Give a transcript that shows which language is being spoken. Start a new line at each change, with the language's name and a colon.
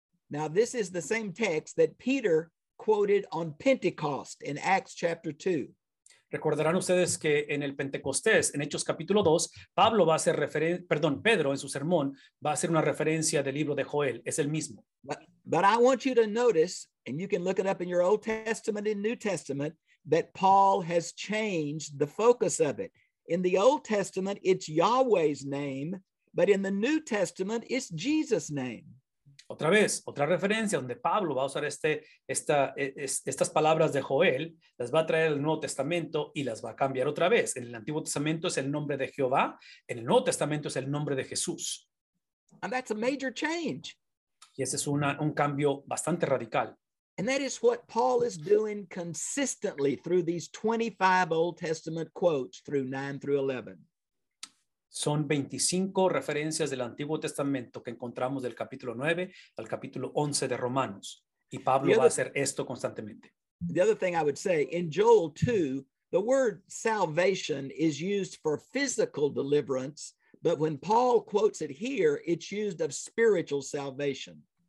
English: Now this is the same text that Peter quoted on Pentecost in Acts chapter 2.
Spanish: Recordarán ustedes que en el Pentecostés, en Hechos capítulo 2, Pedro en su sermón va a hacer una referencia del libro de Joel, es el mismo.
English: But I want you to notice, and you can look it up in your Old Testament and New Testament, that Paul has changed the focus of it. In the Old Testament, it's Yahweh's name, but in the New Testament, it's Jesus' name.
Spanish: Otra vez, otra referencia donde Pablo va a usar estas palabras de Joel, las va a traer al Nuevo Testamento y las va a cambiar otra vez. En el Antiguo Testamento es el nombre de Jehová, en el Nuevo Testamento es el nombre de Jesús.
English: And that's a major change.
Spanish: Y ese es un cambio bastante radical.
English: And that is what Paul is doing consistently through these 25 Old Testament quotes through 9 through 11.
Spanish: Son 25 referencias del Antiguo Testamento que encontramos del capítulo 9 al capítulo 11 de Romanos. Y Pablo va a hacer esto constantemente.
English: The other thing I would say, in Joel 2, the word salvation is used for physical deliverance, but when Paul quotes it here, it's used of spiritual salvation.